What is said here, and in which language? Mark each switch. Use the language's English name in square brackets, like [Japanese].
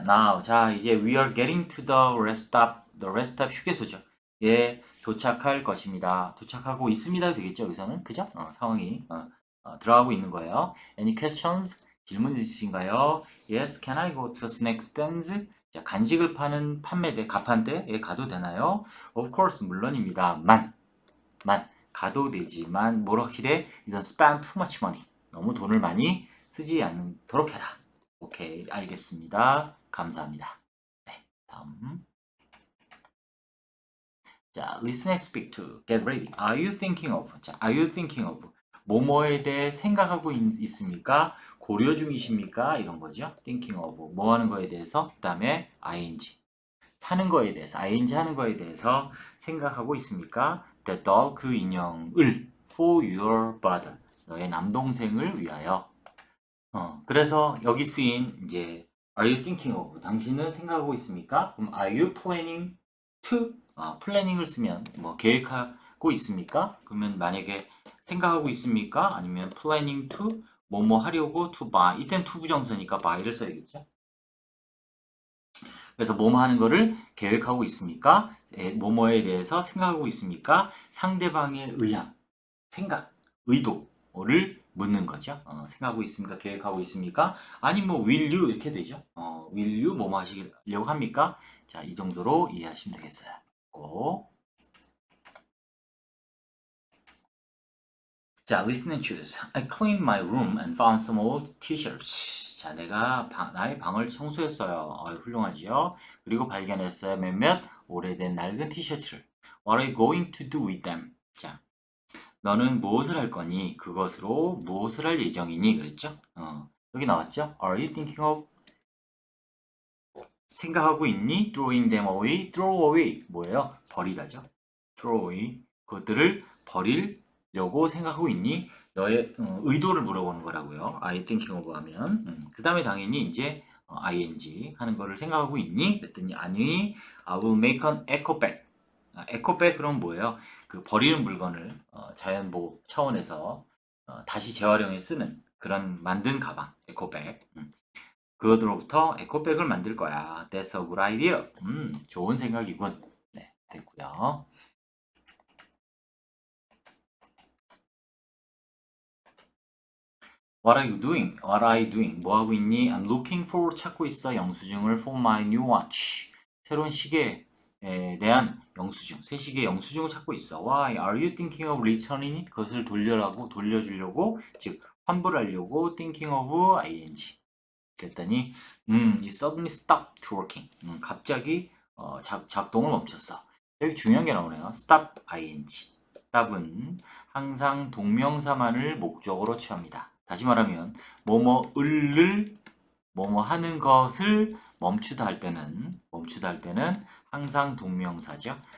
[English] Now, [Korean] 자, 이제 [English] we are getting to the rest stop [Korean] 휴게소죠. 예, 도착할 것입니다. 도착하고 있습니다. 되겠죠, 여기서는. 그죠? 상황이 들어가고 있는 거예요. [English] Any questions? [Korean] 질문 있으신가요? [English] Yes, can I go to the snack stands? [Korean] 자, 간식을 파는 판매대, 가판대에 가도 되나요? [English] Of course, [Korean] 물론입니다. 가도 되지만, 뭘 확실해? [English] You don't spend too much money. [Korean] 너무 돈을 많이 쓰지 않도록 해라. 오케이, 알겠습니다. 감사합니다. 다음. [English] 자, listen and speak to. Get ready. Are you thinking of? 자, are you thinking of? [Korean] 뭐뭐에 대해 생각하고 있습니까? 고려 중이십니까? 이런 거죠. [English] Thinking of. [Korean] 뭐 하는 거에 대해서? 그 다음에, ing. 사는 거에 대해서, ing 하는 거에 대해서 생각하고 있습니까? [English] The doll, [Korean] 그 인형을. [English] For your brother. [Korean] 너의 남동생을 위하여. 그래서 여기 쓰인 이제 [English] Are you thinking of? [Korean] 당신은 생각하고 있습니까? [English] 그럼 Are you planning to? [Korean] planning을 쓰면 뭐 계획하고 있습니까? 그러면 만약에 생각하고 있습니까? 아니면 planning to 뭐뭐 하려고 to buy 이땐 to 부정사니까 buy를 써야겠죠? 그래서 뭐뭐 하는 거를 계획하고 있습니까? 뭐뭐에 대해서 생각하고 있습니까? 상대방의 의향, 생각, 의도를 묻는 거죠. 생각하고 있습니까? 계획하고 있습니까? 아니면 뭐 will you 이렇게 되죠. will you 뭐뭐 하시려고 합니까? 자, 이 정도로 이해하시면 되겠어요. 고. [English] 자, listen and choose. I cleaned my room and found some old t-shirts. [Korean] 자, 나의 방을 청소했어요. 훌륭하지요? 그리고 발견했어요. 몇몇 오래된 낡은 티셔츠를. [English] What are you going to do with them? [Korean] 자, 너는 무엇을 할 거니? 그것으로 무엇을 할 예정이니? 그랬죠? 여기 나왔죠? [English] Are you thinking of? [Korean] 생각하고 있니? [English] Throwing them away. Throw away. [Korean] 뭐예요? 버리다죠? [English] Throw away. [Korean] 그것들을 버리려고 생각하고 있니? 너의 의도를 물어보는 거라고요. [English] Are you thinking of 하면. [Korean] 그 다음에 당연히 이제 ing 하는 거를 생각하고 있니? 그랬더니 아니, [English] I will make an echo back. [Korean] 에코백 그럼 뭐예요? 그 버리는 물건을 자연보호 차원에서 다시 재활용에 쓰는 그런 만든 가방, 에코백. 그것으로부터 에코백을 만들 거야. [English] That's a good idea. [Korean] 좋은 생각이군. 네, 됐고요. [English] What are you doing? [Korean] 뭐 하고 있니? [English] I'm looking for [Korean] 찾고 있어. 영수증을 [English] for my new watch. [Korean] 새로운 시계에 대한 영수증. 새 시계 영수증을 찾고 있어. [English] Why are you thinking of returning it? [Korean] 그것을 돌려라고 돌려주려고 즉 환불하려고 thinking of ing. 그랬더니 [English] it suddenly stopped working. [Korean] 갑자기 작동을 멈췄어. 여기 중요한 게 나오네요. [English] stop ing. [Korean] stop은 항상 동명사만을 목적으로 취합니다. 다시 말하면 뭐뭐을를 뭐뭐 하는 것을 멈추다 할 때는 항상 동명사죠.